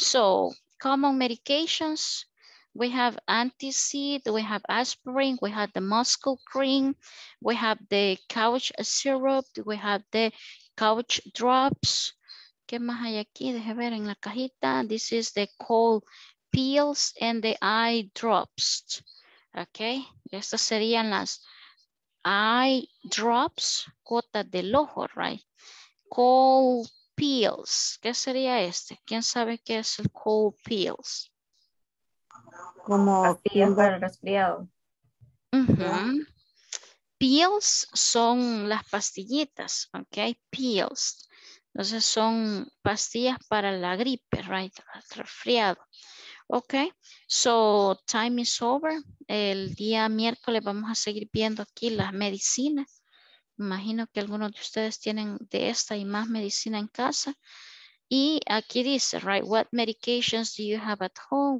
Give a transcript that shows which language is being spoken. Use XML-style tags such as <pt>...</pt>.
<en>So, common medications, we have antacid, we have aspirin, we have the muscle cream, we have the couch syrup, we have the couch drops.</en> <es>¿Qué más hay aquí? Deje ver en la cajita.</es> <en>This is the cold pills and the eye drops. Okay.</en> <es>Estas serían las eye drops, gota del ojo, right? Cold pills. ¿Qué sería este? ¿Quién sabe qué es el cold pills? Como pills para el resfriado. Pills son las pastillitas, okay? Pills. Entonces son pastillas para la gripe, right? El resfriado.</es> <en>Okay, so time is over.</en> <es>El día miércoles vamos a seguir viendo aquí las medicinas. Imagino que algunos de ustedes tienen de esta y más medicina en casa. Y aquí dice,</es> <en>right, what medications do you have at home?</en>